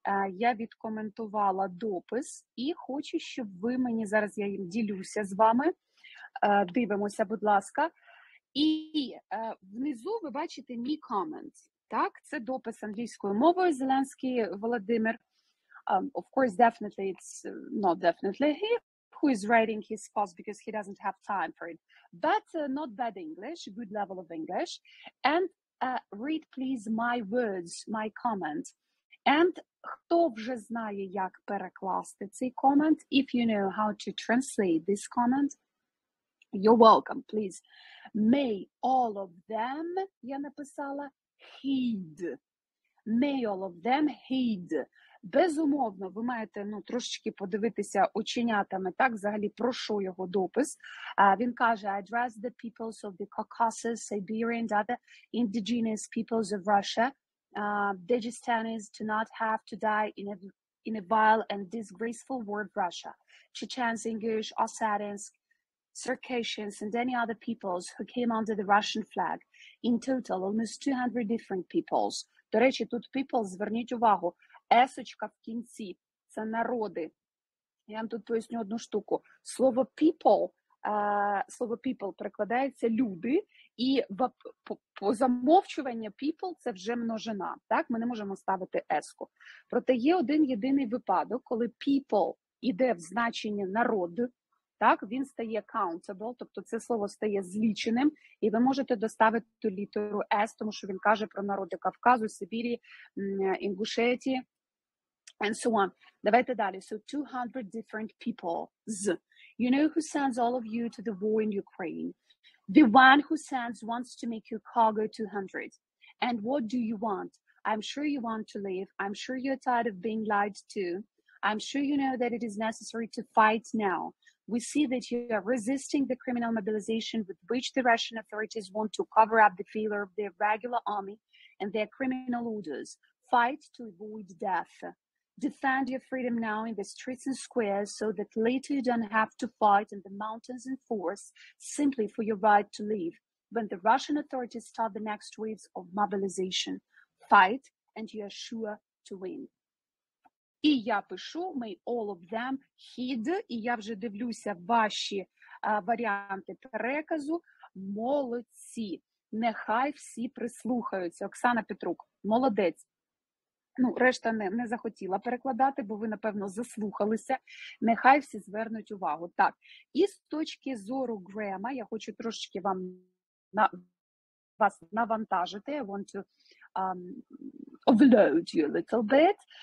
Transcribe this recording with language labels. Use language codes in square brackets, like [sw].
[uk] Я відкоментувала допис і хочу, щоб ви мені зараз, я їм ділюся з вами. Дивимося, будь ласка. І внизу ви бачите мій комент. Так, це допис англійською мовою Зеленський Володимир. [en] Of course, definitely it's not definitely he who is writing his post because he doesn't have time for it. But not bad English, good level of English. And read, please, my words, my comment. [uk] And хто вже знає, як перекласти цей comment? [en] If you know how to translate this comment, you're welcome, please. May all of them, [uk] я написала, [en] heed. May all of them heed. [uk] Безумовно, ви маєте, ну, трошечки подивитися оченятами, так, взагалі, про що його допис. Він каже, [en] I address the peoples of the Caucasus, Siberia and other indigenous peoples of Russia. Dagestanis do not have to die in a vile and disgraceful war of Russia. Chechens, Ingush, Ossetians, Circassians and any other peoples who came under the Russian flag. In total, almost 200 different peoples. [uk] До речі, тут peoples, зверніть увагу, есочка в кінці – це народи. Я вам тут поясню одну штуку. Слово people слово people перекладається люди, і по замовчування people це вже множина, так? Ми не можемо ставити еску. Проте є один єдиний випадок, коли people іде в значення народ, так? Він стає countable, тобто це слово стає зліченим, і ви можете доставити літеру S, тому що він каже про народи Кавказу, Сибірі, Інгушеті, [en] and so on. [uk] Давайте далі. [en] So 200 different people. З. You know who sends all of you to the war in Ukraine? The one who sends wants to make your cargo 200. And what do you want? I'm sure you want to leave. I'm sure you're tired of being lied to. I'm sure you know that it is necessary to fight now. We see that you are resisting the criminal mobilization with which the Russian authorities want to cover up the failure of their regular army and their criminal orders. Fight to avoid death. Defend your freedom now in the streets and squares so that later you don't have to fight in the mountains and forests simply for your right to live. When the Russian authorities start the next waves of mobilization, fight and you are sure to win. [uk] І я пишу, [en] may all of them heed, [uk] і я вже дивлюся ваші варіанти переказу, молодці, нехай всі прислухаються. Оксана Петрук, молодець. Ну, решта не захотіла перекладати, бо ви, напевно, заслухалися. Нехай всі звернуть увагу. Так, і з точки зору Грема, я хочу трошечки вам вас навантажити. [en] I want to overload you a little bit.